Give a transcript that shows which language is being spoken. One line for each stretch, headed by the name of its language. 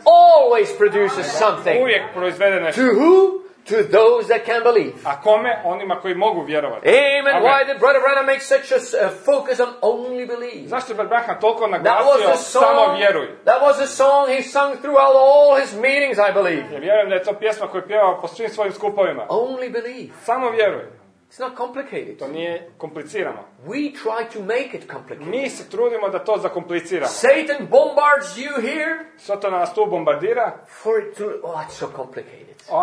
English: Always produces something.
Croatian: Uvijek proizvede nešto.
English: To who? To those that can believe.
Croatian: A kome? Onima koji mogu vjerovati.
English: Amen. Okay. Why did Brother Branham make such a focus on only believe?
Croatian: Zašto Brother Branham toliko naglasio samo vjeruj?
English: That was a song he sung throughout all his meetings, I believe.
Croatian: Ja vjerujem da je to pjesma koju pjevao po svim svojim skupovima.
English: Only believe.
Croatian: Samo vjeruj.
English: It's not complicated.
Croatian: To nije komplicirano.
English: We try to make it complicated.
Croatian: Mi se trudimo da to zakompliciramo.
English: Satan bombards you here.
Croatian: Satan nas tu bombardira.
English: For it to, it's so complicated.